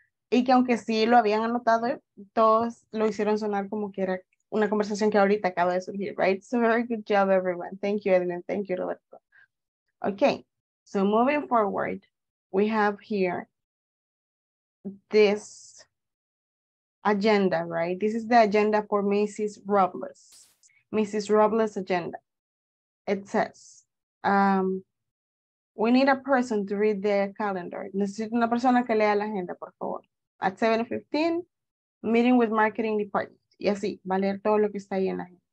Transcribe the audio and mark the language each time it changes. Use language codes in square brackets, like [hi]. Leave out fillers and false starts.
[es] Y que aunque sí lo habían anotado, todos lo hicieron sonar como que era una conversación que ahorita acaba de surgir, right? [en] So very good job, everyone. Thank you, Edwin. Thank you, Roberto. Okay, so moving forward, we have here this agenda, right? This is the agenda for Mrs. Robles. Mrs. Robles' agenda. It says, we need a person to read the calendar. [es] Necesito una persona que lea la agenda, por favor. [en] At 7:15, meeting with marketing department. [es] Y así, va a leer todo lo que está ahí en la agenda.